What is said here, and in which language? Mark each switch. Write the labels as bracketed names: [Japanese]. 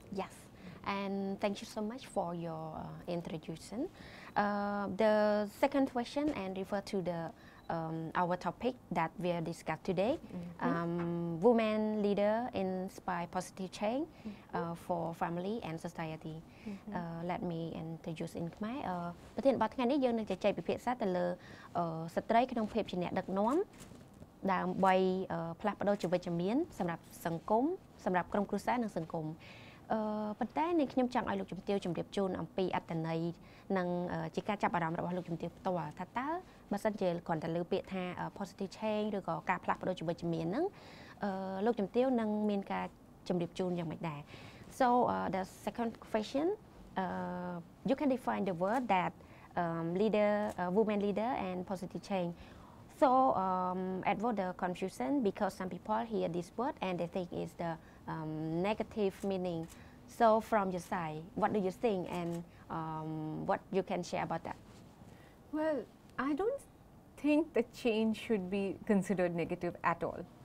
[English] Yes, and thank you so much for your introduction. The second question and refer to the our topic that we are discuss today, women leader inspire positive change for family and society. Let me introduce in Khmer. [Khmer] ប្រធានបទថ្ងៃនេះយើងនឹងជជែកពិភាក្សាទៅលើស្ត្រីក្នុងភាពជាអ្នកដឹកនាំដើម្បីផ្លាស់ប្ដូរជីវវិជ្ជមានសម្រាប់សង្គមសម្រាប់ក្រុមគ្រួសារនិងសង្គម ប៉ុន្តែនាងខ្ញុំចង់ឲ្យលោកជំទាវជម្រាបជូនអំពីអត្តន័យនិងជាការចាប់អារម្មណ៍របស់លោកជំទាវផ្ទាល់ថាតើបើសិនជាគាត់តែលើពាក្យថា positive change ឬក៏ការផ្លាស់ប្ដូរជីវវិជ្ជមានហ្នឹងលោកជំទាវនឹងមានការជម្រាបជូនយ៉ាងម៉េចដែរ [English] So the second question you can define the word that leader woman leader and positive change. So avoid the confusion because some people hear this word and they think it's the negative meaning. So from your side, what do you think and what you can share about that? Well, I don't think the change should be considered negative at all.